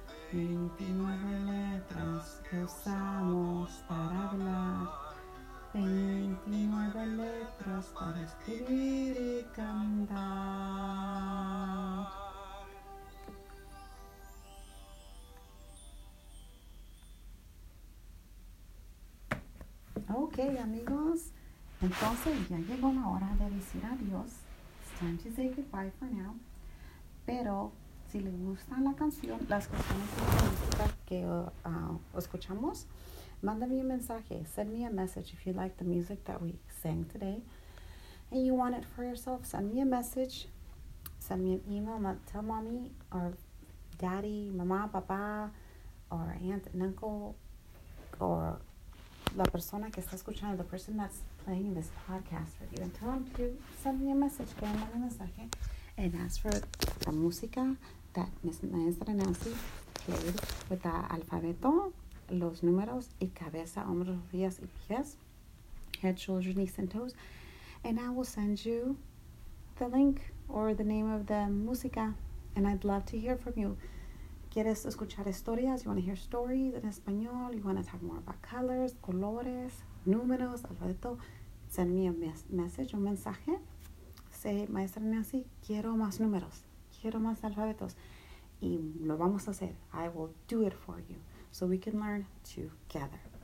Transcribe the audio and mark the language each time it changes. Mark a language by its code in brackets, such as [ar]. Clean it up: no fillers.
[es] 29 letras que usamos para hablar, 29 letras para escribir y cantar. Ok, amigos, entonces ya llegó la hora de decir adiós. [en] It's time to say goodbye for now. [es] Pero si les gusta la canción, las canciones de la música que escuchamos, mándame un mensaje. [en] Send me a message if you like the music that we sang today. And you want it for yourself, send me a message. Send me an email. Tell mommy or daddy, [es] mamá, papá, [en] or aunt and uncle, or [es] la persona que está escuchando, [en] the person that's playing this podcast with you, and tell them to send me a message, [es] que me mande mensaje, [en] and ask for the música that Miss Maestra Nancy played with the alfabeto, [es] los números, y cabeza, hombros, rodillas, y pies, [en] head, shoulders, knees, and toes, and I will send you the link or the name of the música, and I'd love to hear from you. [es] ¿Quieres escuchar historias? [en] You want to hear stories in español? You want to talk more about colors, [es] colores, números, alfabeto? [en] Send me a message, [es] un mensaje. [en] Say, Maestra Nancy, [es] quiero más números. Quiero más alfabetos. Y lo vamos a hacer. [en] I will do it for you. So we can learn together.